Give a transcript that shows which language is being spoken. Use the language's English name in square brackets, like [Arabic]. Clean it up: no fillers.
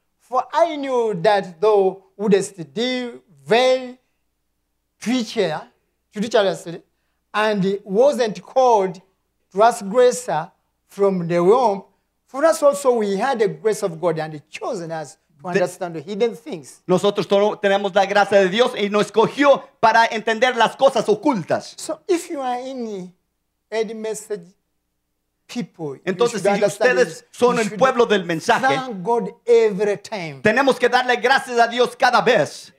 [English] For I knew that thou wouldest deal very treacherously, and wasn't called transgressor from the womb. For us also we had the grace of God and chosen us to understand the hidden things. [Spanish] Nosotros tenemos la gracia de Dios y nos escogió para entender las cosas ocultas. [English] So if you are in any message, people, [Spanish] entonces, si ustedes son el pueblo del mensaje, [English] thank God every time. [Spanish] Tenemos que darle gracias a Dios cada vez.